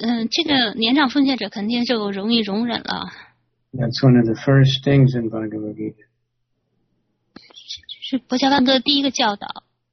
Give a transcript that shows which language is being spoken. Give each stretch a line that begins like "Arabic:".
Chinese: 这个年长奉献者肯定就容易容忍了。
English: That's one of the first things in Bhagavad Gita.
Chinese: 是婆伽梵歌第一个教导。